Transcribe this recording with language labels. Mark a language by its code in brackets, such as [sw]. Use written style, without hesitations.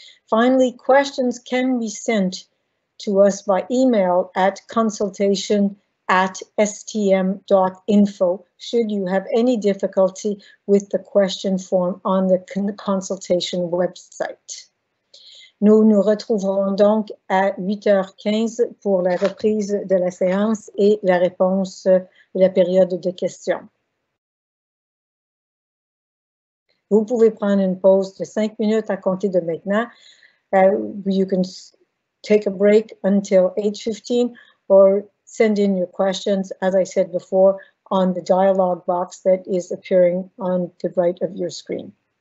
[en] Finally, questions can be sent to us by email at consultation@stm.info should you have any difficulty with the question form on the consultation website. [fr] Nous nous retrouverons donc à 8h15 pour la reprise de la séance et la réponse de la période de questions. Vous pouvez prendre une pause de 5 minutes à compter de maintenant. [en] You can take a break until 8:15 or send in your questions, as I said before, on the dialogue box that is appearing on the right of your screen.